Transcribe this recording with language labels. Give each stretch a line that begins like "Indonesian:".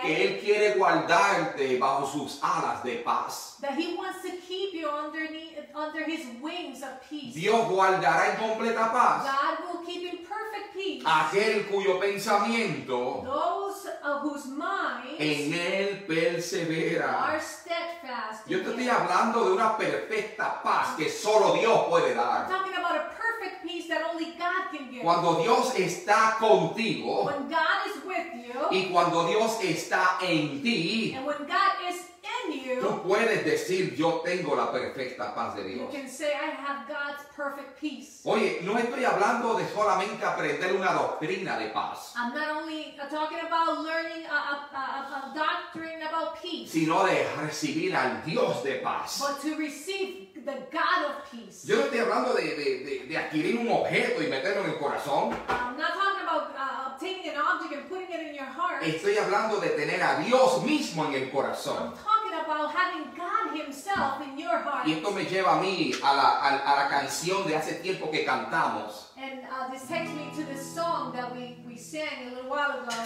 Spanish: Que Él quiere guardarte bajo sus alas de paz.
English: That He wants to keep you under His wings of peace.
Spanish: Dios guardará en completa paz.
English: God will keep in perfect peace.
Spanish: Aquel cuyo pensamiento.
English: Those of whose minds.
Spanish: En Él persevera.
English: Are steadfast.
Spanish: Yo te estoy hablando de una perfecta paz que solo Dios puede dar.
English: I'm talking about a perfect peace that only God can give.
Spanish: Cuando Dios está contigo.
English: When God is with you.
Spanish: Y cuando Dios está en ti.
English: And when God is you,
Spanish: tú puedes decir, yo tengo la perfecta paz de Dios.
English: You can say, I have God's perfect peace.
Spanish: Oye, no estoy hablando de solamente aprender una doctrina de paz.
English: I'm not only talking about learning a doctrine about peace.
Spanish: Sino de recibir al Dios de paz.
English: But to receive the God of peace.
Spanish: Yo no estoy hablando de adquirir un objeto y meterlo en el corazón.
English: I'm not talking about obtaining an object and putting it in your heart.
Spanish: Estoy hablando de tener a Dios mismo en el corazón.
English: About having God Himself in your heart.
Spanish: Y esto me lleva a mí a la canción de hace tiempo que cantamos.
English: And this takes me to the song that we sang a little while ago.